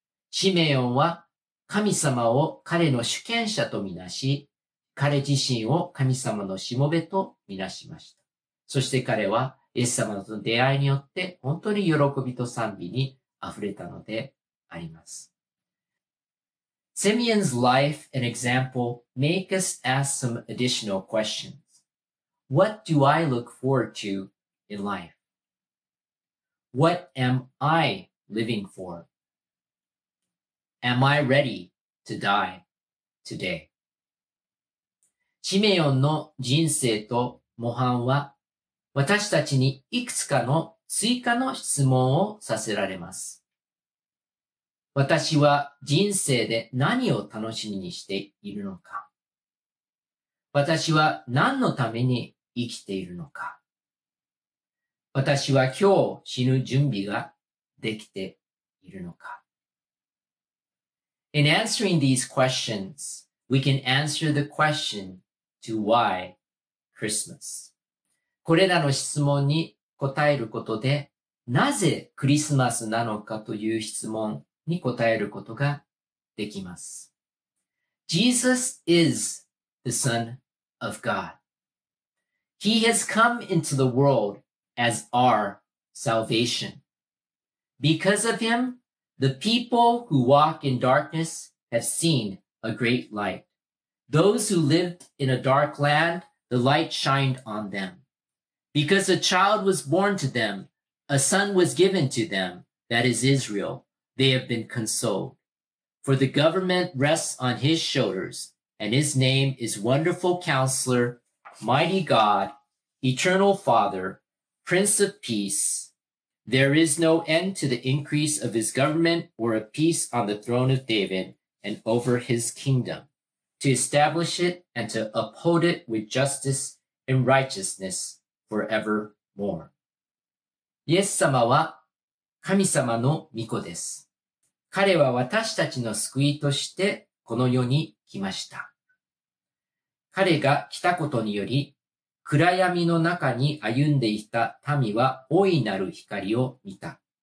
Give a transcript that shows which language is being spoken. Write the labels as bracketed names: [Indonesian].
[Japanese] シメオンは神様を彼の主権者とみなし、彼自身を神様のしもべとみなしました。そして彼はイエス様との出会いによって本当に喜びと賛美に溢れたのであります。 [English] Simeon's life and example make us ask some additional questions. What do I look forward to in life? What am I living for? Am I ready to die today? [Japanese] シメオンの人生と模範は、私たちにいくつかの追加の質問をさせられます。私は人生で何を楽しみにしているのか？私は何のために生きているのか。私は今日死ぬ準備ができているのか。 [English] In answering these questions, we can answer the question to why Christmas. [Japanese] これらの質問に答えることで、なぜクリスマスなのかという質問に答えることができます。 [English] Jesus is the Son of God. He has come into the world as our salvation. Because of him, the people who walk in darkness have seen a great light. Those who lived in a dark land, the light shined on them. Because a child was born to them, a son was given to them, that is Israel, they have been consoled. For the government rests on his shoulders, and his name is Wonderful Counselor, Mighty God,Eternal Father, Prince of Peace, there is no end to the increase of his government or of peace on the throne of David and over his kingdom, to establish it and to uphold it with justice and righteousness forevermore. [Japanese] イエス様は神様の御子です。彼は私たちの救いとしてこの世に来ました。彼が来たことにより、暗闇の中に歩んでいた民は大いなる光を見た。